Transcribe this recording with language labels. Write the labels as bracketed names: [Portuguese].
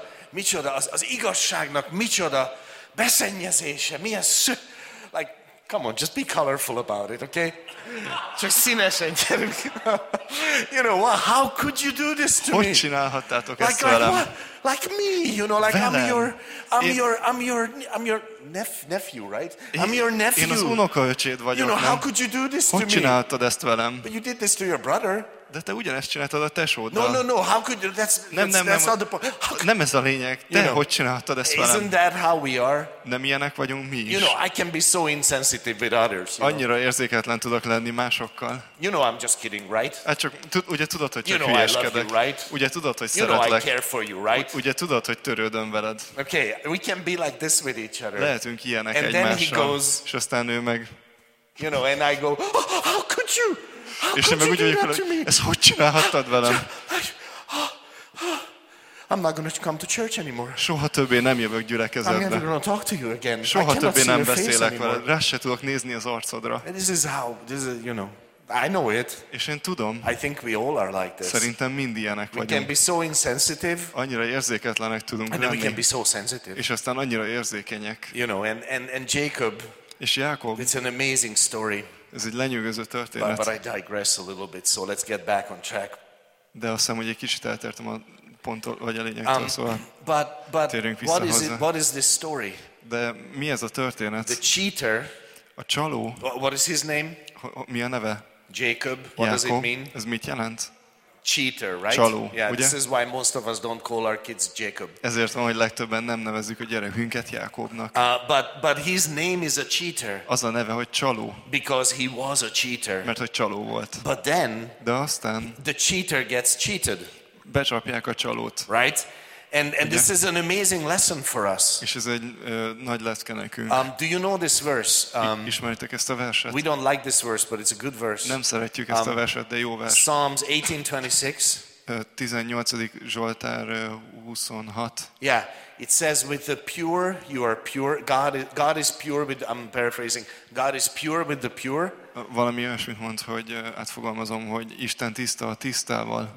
[Hungarian] Micsoda, az igazságnak micsoda beszennyezése, [English] like, come on, just be colorful about it, okay? [Hungarian] Csak színesen gyerünk. [English] You know, how could you do this to [Hungarian] hogy [English] me? [Hungarian] Hogy csinálhattátok ezt velem? [English] Like me, you know, like [Hungarian] velem. [English] I'm your nephew, right? I'm your nephew. [Hungarian] Én az unokaöcséd vagyok, [English] you know, [Hungarian] nem? [English] How could you do this to me? [Hungarian] Hogy csináltad ezt velem? [English] But you did this to your brother. [Hungarian] De te ugyanezt csináltad a tesóddal. [English] No, how could you, that's not the point. [Hungarian] Nem ez a lényeg, te [English] you [Hungarian] hogy csináltad ezt velem? [English] Isn't that how we are? [Hungarian] Nem ilyenek vagyunk mi is. [English] You know, I can be so insensitive with others. [Hungarian] Annyira érzéketlen tudok lenni másokkal. [English] You know, I'm just kidding, right? [Hungarian] Hát csak, ugye tudod, hogy csak hülyeskedek. [English] Right? [Hungarian] Ugye tudod, hogy [English] you [Hungarian] szeretlek. [English] You know, I care for you, right? [Hungarian] Ugye tudod, hogy törődöm veled. [English] Okay, we can be like this with each other. [Hungarian] Lehetünk ilyenek [English] and [Hungarian] egymással. [English] Then he goes, [Hungarian] és aztán ő meg... [English] You know, and I go, oh, how could you? How [Hungarian] és én meg úgy vagyok, hogy ezt hogy csinálhattad velem? [English] I'm not going to come to church anymore. [Hungarian] Soha többé nem jövök gyülekezetbe. [English] I'm never going to talk to you again. [Hungarian] Soha többé nem beszélek veled. Rá se tudok nézni az arcodra. [English] And this is how, this is, you know, I know it. [Hungarian] És én tudom. [English] I think we all are like this. [Hungarian] Szerintem mind ilyenek vagyunk. [English] We can be so insensitive. [Hungarian] Annyira érzéketlenek tudunk lenni. [English] And then we can be so sensitive. [Hungarian] És aztán annyira érzékenyek. [English] You know, and Jacob. [Hungarian] És Jákob. [English] It's an amazing story. [Hungarian] Ez egy lenyűgöző történet. [English] But I digress a little bit, so let's get back on track. [Hungarian] De azt hiszem, hogy egy kicsit eltértem a ponttól, vagy a lényegtől, szóval térjünk vissza hozzá. [English] What is this story? [Hungarian] De mi ez a történet? [English] The cheater. [Hungarian] A csaló. [English] What is his name? [Hungarian] Mi a neve? [English] Jacob. What [Hungarian] Jákob. [English] Does it mean? [Hungarian] Ez mit jelent? [English] Cheater, right? [Hungarian] Csaló, [English] yeah, [Hungarian] ugye? [English] This is why most of us don't call our kids Jacob. [Hungarian] Ezért van, hogy legtöbben nem nevezzük a gyerekünket Jákobnak. [English] But his name is a cheater. [Hungarian] Az a neve, hogy csaló. [English] Because he was a cheater. [Hungarian] Mert hogy csaló volt. [English] But then, [Hungarian] de aztán, [English] the cheater gets cheated. [Hungarian] Becsapják a csalót. [English] Right? And this is an amazing lesson for us. [Hungarian] És ez egy nagy leckén nekünk. [English] Do you know this verse? [Hungarian] Ismeritek ezt a verset? [English] We don't like this verse, but it's a good verse. [Hungarian] Nem szeretjük ezt a verset, de jó vers. [English] Psalms 18:26. [Hungarian] 18. Zsoltár 26. [English] Yeah, it says, "With the pure you are pure. God is pure with." I'm paraphrasing. God is pure with the pure. [Hungarian] Valami olyasmit mond, hogy átfogalmazom, hogy Isten tiszta a tisztával.